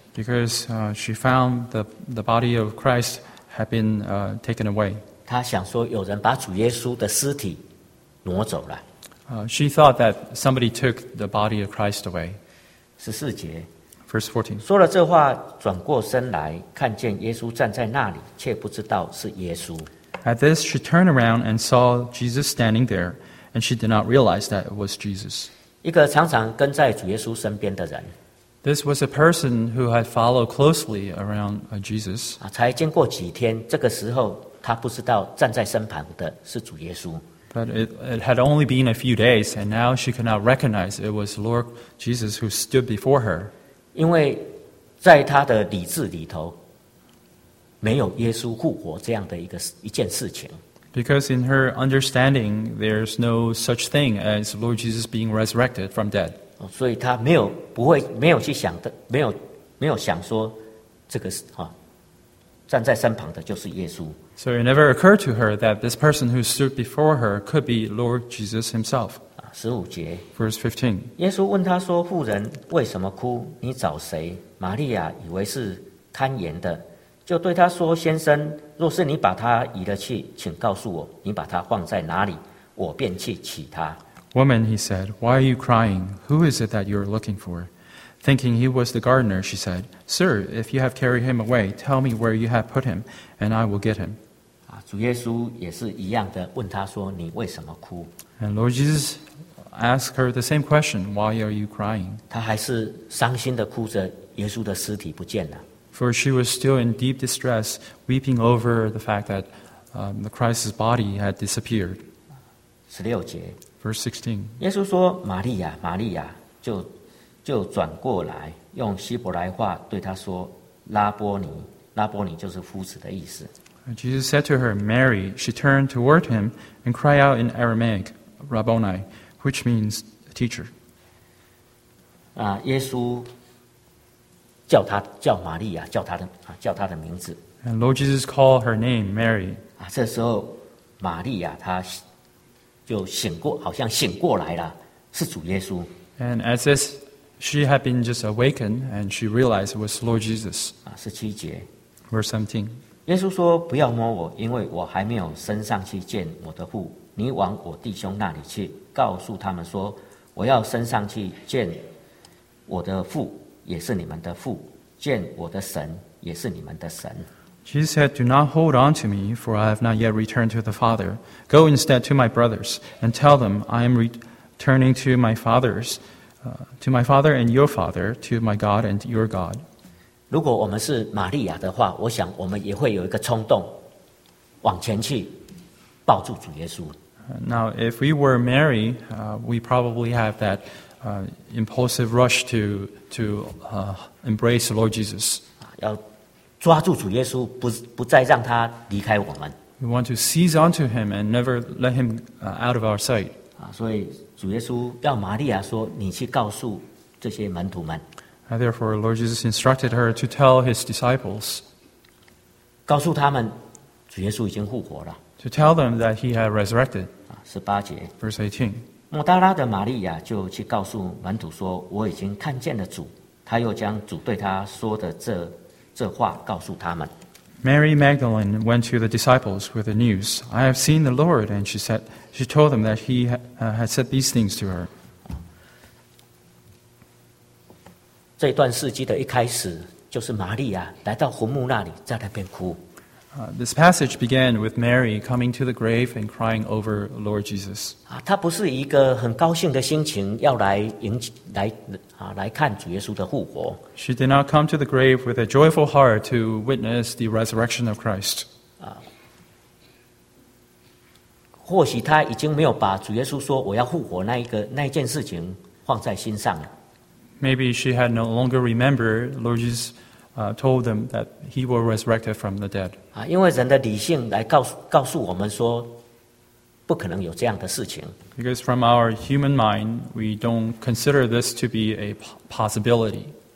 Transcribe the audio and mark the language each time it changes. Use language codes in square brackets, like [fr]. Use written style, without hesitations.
[en] Because she found the body of Christ had been taken away. [zh] 她想说有人把主耶稣的尸体挪走了。 [en] She thought that somebody took the body of Christ away. [zh] 14节。 [en] Verse 14. [zh] 说了这话，转过身来，看见耶稣站在那里，却不知道是耶稣。 [en] At this, she turned around and saw Jesus standing there, and she did not realize that it was Jesus. [zh] 一个常常跟在主耶稣身边的人。 [en] This was a person who had followed closely around Jesus. [zh] 才经过几天，这个时候他不知道站在身旁的是主耶稣。 [en] But it had only been a few days, and now she could not recognize it was Lord Jesus who stood before her. [zh] 因为在他的理智里头，没有耶稣复活这样的一件事情。 [en] Because in her understanding, there's no such thing as Lord Jesus being resurrected from dead. [zh] 所以他没有去想的，没有想说这个站在身旁的就是耶稣。 [en] So it never occurred to her that this person who stood before her could be Lord Jesus himself. [zh] 15节。 [en] Verse 15. [zh] 耶稣问他说，妇人，为什么哭？你找谁？玛利亚以为是看言的，就对他说，先生，若是你把他移了去，请告诉我，你把他放在哪里，我便去取他。 [en] Woman, he said, why are you crying? Who is it that you are looking for? Thinking he was the gardener, she said, Sir, if you have carried him away, tell me where you have put him, and I will get him. [zh] 主耶稣也是一样的问他说，你为什么哭？ [en] And Lord Jesus asked her the same question, why are you crying? [zh] 他还是伤心的哭着耶稣的尸体不见了。 [en] For she was still in deep distress, weeping over the fact that the Christ's body had disappeared. [zh] 16节。 [en] Verse 16. [zh] 耶稣说，玛利亚，玛利亚，就转过来，用希伯来话对他说，拉波尼，拉波尼就是夫子的意思。 [en] Jesus said to her, Mary, she turned toward him and cried out in Aramaic, Rabboni, which means teacher. [zh] 耶稣叫他叫玛利亚，叫他的名字。 [en] And Lord Jesus called her name, Mary. [zh] 这时候玛利亚她就醒过，好像醒过来了，是主耶稣。 [en] And as this, she had been just awakened, and she realized it was Lord Jesus. [zh] 17节。 [en] Verse 17. [zh] 耶稣说，不要摸我，因为我还没有升上去见我的父。你往我弟兄那里去，告诉他们说，我要升上去见我的父，也是你们的父，见我的神，也是你们的神。 [en] Jesus said, Do not hold on to me, for I have not yet returned to the Father. Go instead to my brothers, and tell them, I am returning to my fathers, to my Father and your Father, to my God and your God. [zh] 如果我们是玛利亚的话，我想我们也会有一个冲动，往前去抱住主耶稣。 [en] Now, if we were Mary, we probably have that impulsive rush to embrace Lord Jesus. [zh] 要抓住主耶稣，不再让他离开我们。 [en] We want to seize onto him and never let him out of our sight. [zh] 所以主耶稣要玛利亚说，你去告诉这些门徒们。 [en] Therefore, Lord Jesus instructed her to tell his disciples. [zh] 告诉他们，主耶稣已经复活了。 [en] To tell them that he had resurrected. [zh] 18节。 [en] Verse 18。 [zh] 抹大拉的玛利亚就去告诉门徒说，我已经看见了主，他又将主对他说的这话告诉他们。 [en] Mary Magdalene went to the disciples with the news, I have seen the Lord, and she told them that he had said these things to her. [zh] 这段事迹的一开始就是玛利亚来到坟墓那里，在那边哭。 [en] This passage began with Mary coming to the grave and crying over Lord Jesus. [zh] 她不是一个很高兴的心情要来看主耶稣的复活。 [en] She did not come to the grave with a joyful heart to witness the resurrection of Christ. [zh] 或许她已经没有把主耶稣说我要复活那件事情放在心上了。 [en] Maybe she had no longer remembered Lord Jesus told them that he was resurrected from the dead. [zh] 因为人的理性来告诉我们说不可能有这样的事情。 [en] Because from our human mind, we don't consider this to be a possibility.